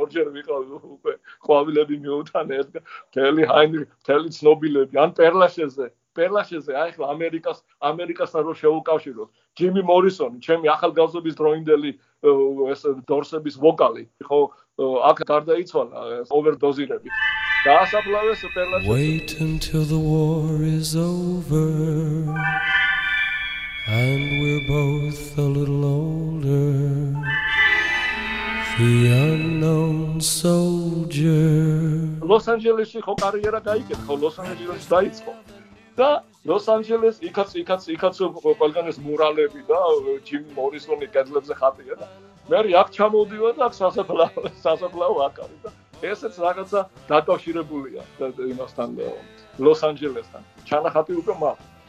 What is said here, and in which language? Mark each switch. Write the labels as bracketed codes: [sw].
[ka] ორჯერ ვიყავი უკვე ყვავილები მიუთან ედგა. თელი ჰაინრი, თელი ცნობილები, ან პერლაშეზე, აი ეხლა ამერიკასთან რო შეუკავშიროთ. ჯიმი მორისონი, ჩემი ახალგაზრდობის დროინდელი ეს დორსების ვოკალი, ხო, აქ გარდაიცვალა ოვერდოზირებით. დაასაფლავეს პერლაშეზე. [en] Wait until the war is over. And we're both a little older. The unknown soldier. [ka] Los Angeles-ში ხო კარიერა დაიკეთა, ხო Los Angeles-ში დაიწყო. და Los Angeles-ში იქაც ყველგან ეს მურალები და Jim Morrison-ი კედლებზე ხატია და მე აქ ჩამოვიდა და აქ სასაფლაო აქ არის და ესეც რაღაცა დაკავშირებულია იმასთან Los Angeles-თან. ჩანახატი უკვე მაქვს.